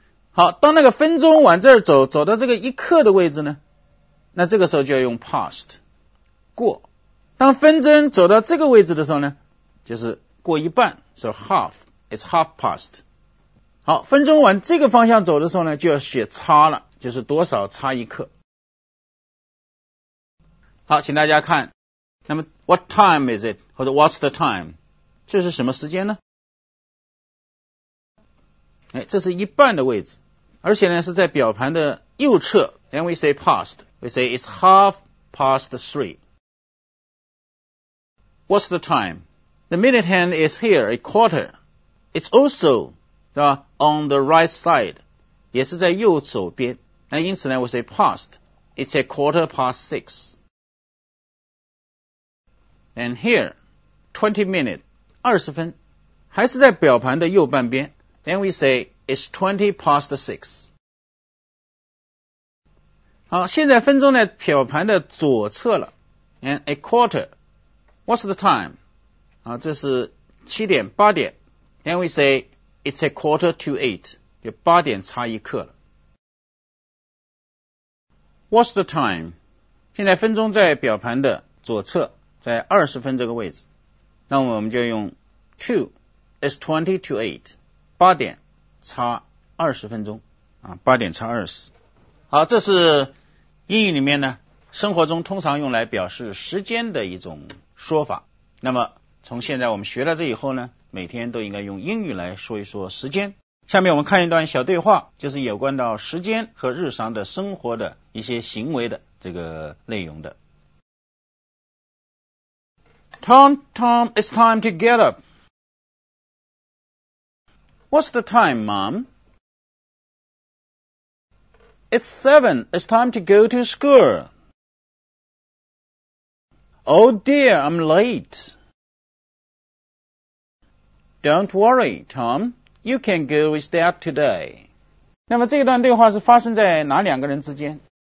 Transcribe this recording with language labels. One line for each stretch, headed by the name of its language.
Chinese: 好，当那个分钟往这儿走，走到这个一刻的位置呢，那这个时候就要用 past, 过。当分针走到这个位置的时候呢，就是过一半，
English: so half, it's half past.
Chinese: 好，分钟往这个方向走的时候呢，就要写差了。就是多少差一刻。好，请大家看，那么
English: What time is it?
Chinese: 或者
English: What's the time?
Chinese: 这是什么时间呢？哎，这是一半的位置，而且呢是在表盘的右侧。
English: Then we say past. We say it's 3:30. What's the time? The minute hand is here, a quarter. It's also on the right side.
Chinese: 也是在右手边。那因此呢，我
English: say past, it's 6:15. And here, 20 minutes,
Chinese: 20分，还是在表盘的右半边。
English: Then we say, it's 6:20.
Chinese: 好，现在分钟在表盘的左侧了。
English: And a quarter, what's the time?
Chinese: 好，这是7:00, 8:00.
English: Then we say, it's 7:45,
Chinese: 就8:00差一刻了。
English: What's the time?
Chinese: 现在分钟在表盘的左侧，在20分这个位置。那我们就用 2,
English: it's 20:08,
Chinese: 8:00差20分钟啊，8:00差20。好，这是英语里面呢，生活中通常用来表示时间的一种说法。那么从现在我们学了这以后呢，每天都应该用英语来说一说时间。下面我们看一段小对话，就是有关到时间和日常的生活的一些行为的这个内容的。
English: Tom, Tom, it's time to get up. What's the time, Mom? It's 7, it's time to go to school. Oh dear, I'm late. Don't worry, Tom. You can go with Dad today.
Chinese: 那么这段对话是发生在哪两个人之间？